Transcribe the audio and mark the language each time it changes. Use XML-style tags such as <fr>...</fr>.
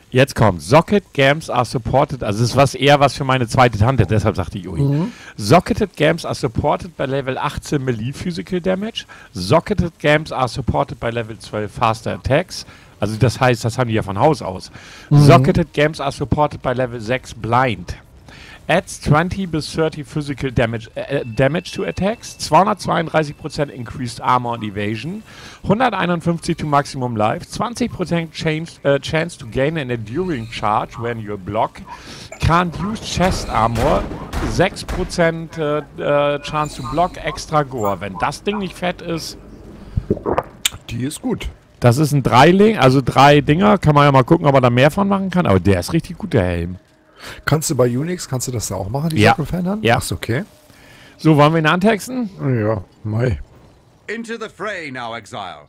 <de>Jetzt kommt.</de> <en>Socket Gems are supported.</en> <de>Also es ist was eher was für meine zweite Tante, deshalb sagte ich Ui. Mhm.</de> <en>Socketed Gems are supported by Level 18 Melee Physical Damage. Socketed Gems are supported by Level 12 Faster Attacks.</en> <de>Also das heißt, das haben die ja von Haus aus.</de> <en>Mhm. Socketed Gems are supported by Level 6 Blind. Adds 20-30 physical damage to attacks, 232% increased armor and evasion, 151 to maximum life, 20% chance to gain an enduring charge when you block, can't use chest armor, 6% chance to block extra gore.</en> <de>Wenn das Ding nicht fett ist, die ist gut. Das ist ein Dreiling, also drei Dinger, kann man ja mal gucken, ob man da mehr von machen kann, aber der ist richtig gut, der Helm. Kannst du bei Unix, kannst du das da auch machen, die Socken verändern? Ja. Ach, ist okay. So, wollen wir ihn antexten? Ja, mei.</de> <en>Into the fray now, Exile.</en>